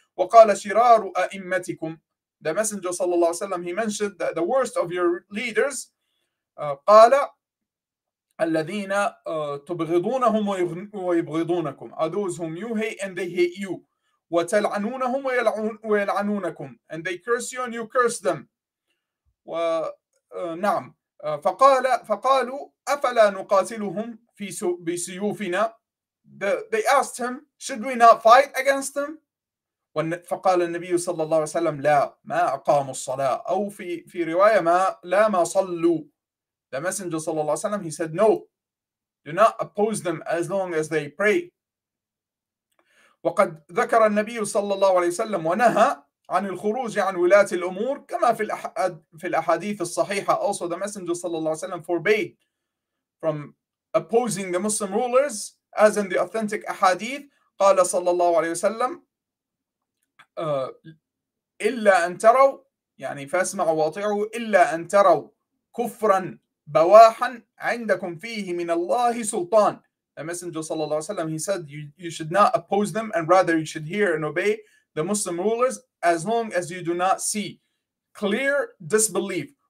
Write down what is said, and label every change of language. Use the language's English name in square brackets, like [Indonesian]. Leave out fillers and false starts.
[Arabic] وقال شرار أئمتكم, [English] the messenger صلى الله عليه وسلم, he mentioned that the worst of your leaders, [Arabic] قال الذين تبغضونهم ويبغضونكم, [English] are those whom you hate and they hate you, [Arabic] وتلعنونهم ويلعنونكم, [English] and they curse you and you curse them. [Arabic] ونعم, فقالوا أفلا نقاتلهم في بسيوفنا. [English] They asked him, should we not fight against them? [Arabic] فقال النبي صلى الله عليه وسلم, لا, ما أقاموا الصلاة, أو في رواية, ما لا ما صلوا. [English] The messenger صلى الله عليه وسلم, he said, no, do not oppose them as long as they pray. [Arabic] وقد ذكر النبي صلى الله عليه وسلم ونهى عن الخروج عن ولاة الأمور كما في الأحاديث الصحيحة. [English] Also the messenger صلى الله عليه وسلم forbade from opposing the Muslim rulers as in the authentic أحاديث. [Arabic] قال صلى الله عليه وسلم, إلا أن تروا, يعني فاسمعوا واطيعوا, إلا أن تروا كفرا بواحا عندكم فيه من الله سلطان. [English] The messenger صلى الله عليه وسلم, he said, you should not oppose them and rather you should hear and obey the Muslim rulers as long as you do not see clear disbelief.